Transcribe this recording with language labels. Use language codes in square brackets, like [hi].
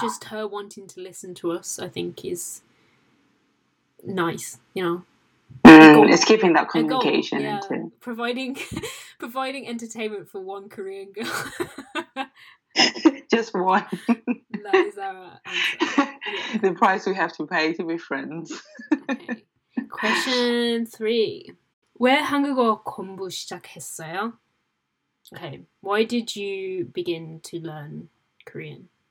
[en] Just her wanting to listen to us, I think, is nice, you know. It's keeping that communication. Yeah, into providing entertainment for one Korean girl. Just one. That is our answer. The price we have to pay to be friends. Okay. Question 3. [ko] 왜 한국어 공부 시작했어요? [en] Okay, why did you begin to learn Korean?